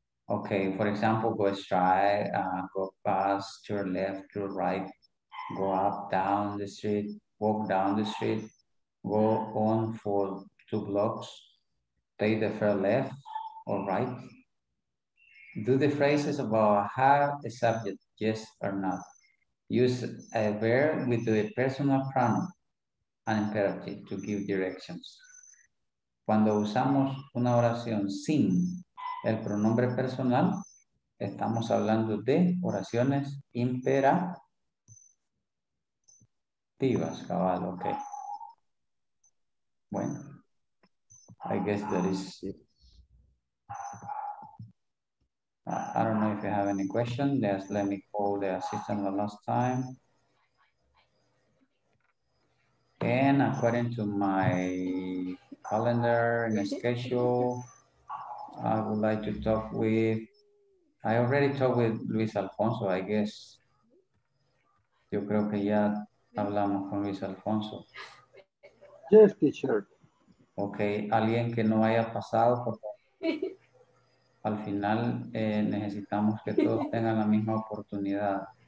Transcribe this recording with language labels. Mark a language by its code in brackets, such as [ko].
[en] Okay, for example, go straight, go past, turn left, turn right, go up, down the street, walk down the street, go on for two blocks, take the far left or right. Do the phrases about have a subject, yes or not. Use a verb with the personal pronoun, an imperative, to give directions. [es] Cuando usamos una oración sin el pronombre personal, Estamos hablando de oraciones imperativas, cabal, ok. [en] Bueno, I guess that is it. I don't know if you have any question. Just let me call the assistant the last time. And according to my calendar and schedule, I would like to talk with, I already talked with Luis Alfonso, I guess. [es] Yo creo que ya hablamos con Luis Alfonso. [en] Yes, teacher. [es] Okay, alguien que no haya pasado, por favor. Al final necesitamos que todos tengan la misma oportunidad.